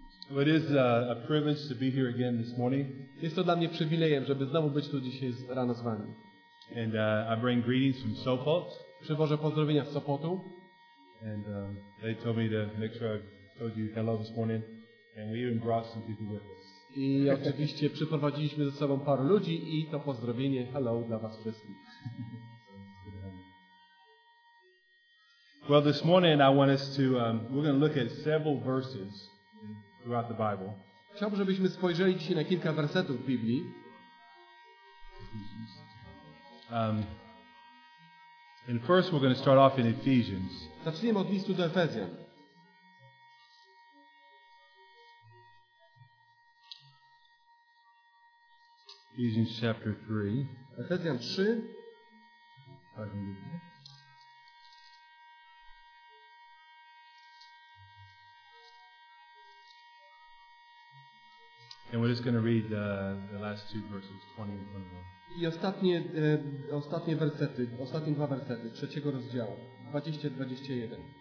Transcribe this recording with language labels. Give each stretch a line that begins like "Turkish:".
English: It is a privilege to be here again this morning.
Polish: Jest to dla mnie przywilejem, żeby znowu być tu dzisiaj rano z wami.
English: And I bring greetings from Sopot.
Polish: Przywożę pozdrowienia z Sopotu.
English: And they told me to make sure I told you hello this morning. And we even brought some people with us.
Polish: I oczywiście przyprowadziliśmy ze sobą parę ludzi i to pozdrowienie hello dla was wszystkich.
English: Well, this morning I want us to we're going to look at several verses throughout the Bible.
Polish: Chciałbym, żebyśmy spojrzeli dzisiaj na kilka wersetów w Biblii.
English: And first we're going to start off in Ephesians.
Polish: Zaczniemy od listu do Efezjan.
English: Ephesians chapter 3.
Polish: Efezjan 3.
English: And we're just going to read the last two verses, 20 and 21.
Polish: I ostatnie wersety, ostatnie dwa wersety trzeciego rozdziału, 20-21.